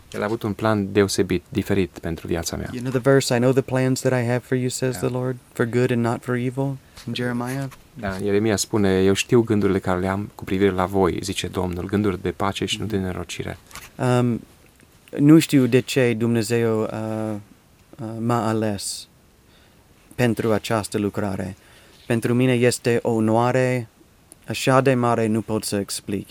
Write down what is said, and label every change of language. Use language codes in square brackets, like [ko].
[ro] El a avut un plan deosebit, diferit pentru viața mea. [en] You know the verse, I know the plans that I have for you, says the Lord, for good and not for evil, in Jeremiah. [ro] Da, Ieremia spune, eu știu gândurile care le am cu privire la voi, zice Domnul, gânduri de pace și nu de nenorocire. Nu știu de ce Dumnezeu m-a ales pentru această lucrare. Pentru mine este o onoare așa de mare, nu pot să explic.